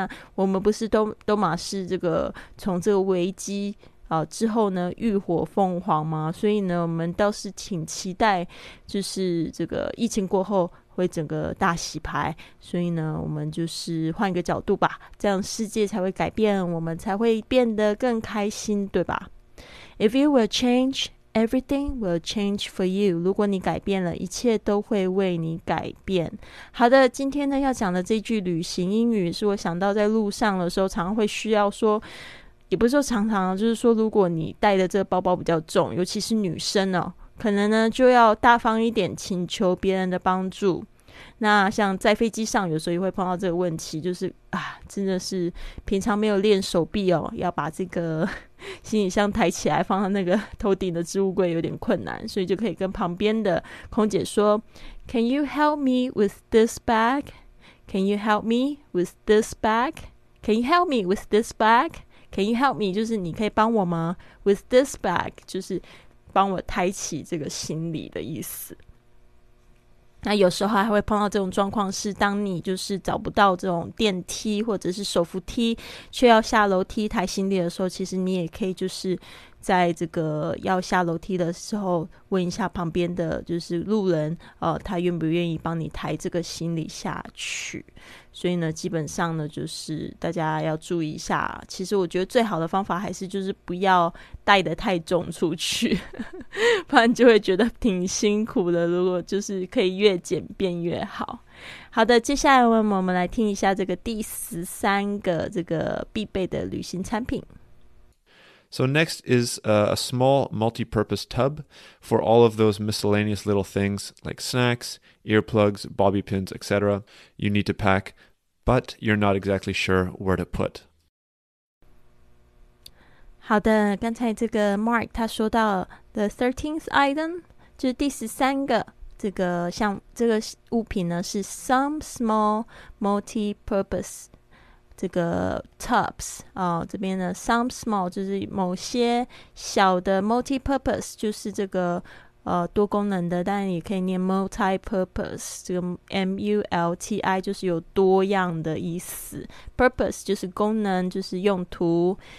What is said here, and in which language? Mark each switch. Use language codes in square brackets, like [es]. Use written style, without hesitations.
[zh] 那我们不是都马是这个从这个危机之后呢浴火凤凰吗？所以呢我们倒是挺期待就是这个疫情过后会整个大洗牌。所以呢我们就是换一个角度吧，这样世界才会改变，我们才会变得更开心，对吧？ [en] If you will change, everything will change for you. [zh] 如果你改变了，一切都会为你改变。好的，今天呢要讲的这句旅行英语是我想到在路上的时候常常会需要说，也不是说常常，就是说如果你带的这个包包比较重，尤其是女生哦，可能呢就要大方一点，请求别人的帮助。那像在飞机上有时候也会碰到这个问题，就是啊，真的是平常没有练手臂哦，要把这个行李箱抬起来放到那个头顶的置物柜有点困难，所以就可以跟旁边的空姐说 [en] Can you help me with this bag? Can you help me with this bag? Can you help me with this bag? Can you help me? [zh] 就是你可以帮我吗？ [en] With this bag [zh] 就是帮我抬起这个行李的意思。那有时候还会碰到这种状况，是当你就是找不到这种电梯或者是手扶梯，却要下楼梯抬行李的时候，其实你也可以就是在这个要下楼梯的时候问一下旁边的就是路人他愿不愿意帮你抬这个行李下去。所以呢基本上呢就是大家要注意一下，其实我觉得最好的方法还是就是不要带得太重出去，不然就会觉得挺辛苦的，如果就是可以越简便越好。好的，接下来我们来听一下这个第13个这个必备的旅行产品。 [en] So next is a small multi-purpose tub for all of those miscellaneous little things like snacks, earplugs, bobby pins, etc. you need to pack, but you're not exactly sure where to put. [zh] 好的，刚才这个 Mark 他说到 [en] the 13th item, [zh] 就是第13个这个像这个物品呢是 [en] some small multi-purpose tub. [zh] 这个 tubs 哦，这边呢 some small 就是某些小的 multi-purpose 就是这个多功能的，但也可以念 multi-purpose， 这个 M-U-L-T-I 就是有多样的意思， purpose 就是功能，就是用途。